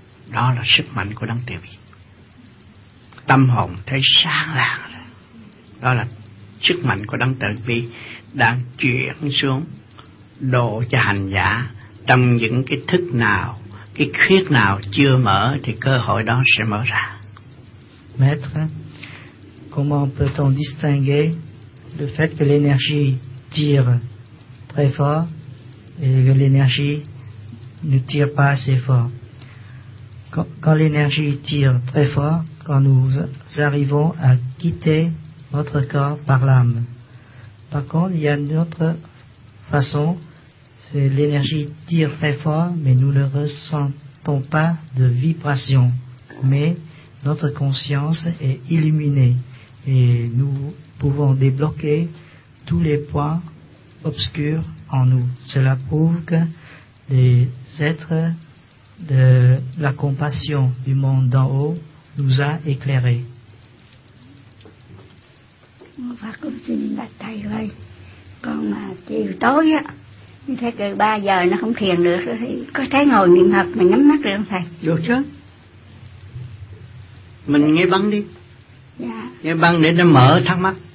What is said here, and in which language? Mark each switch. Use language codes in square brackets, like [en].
[vi] Đó là sức mạnh của Đấng Tiểu Bi. Tâm hồn thấy sáng lạng ra. Đó là sức mạnh của Đấng Tiểu Bi đang chuyển xuống độ cho hành giả. Trong những cái thức nào, cái khuyết nào chưa mở thì cơ hội đó sẽ mở ra. [fr] Maître, comment peut-on distinguer le fait que l'énergie tire très fort et que l'énergie ne tire pas assez fort? Quand l'énergie tire très fort, quand nous arrivons à quitter notre corps par l'âme. Par contre, il y a une autre façon, c'est l'énergie tire très fort, mais nous ne ressentons pas de vibration, mais notre conscience est illuminée et nous pouvons débloquer tous les points obscurs en nous. Cela prouve que les êtres de la compassion du monde d'en haut nous a éclairés. [vi] Phật cũng xin bạch thầy ơi, con mà chiều tối á, như thế từ 3 giờ nó không thiền được, thì có thấy ngồi niệm Phật mà nhắm mắt được không thầy? Được chứ. Mình nghe băng đi. Dạ. Nghe băng để nó mở thắc mắc.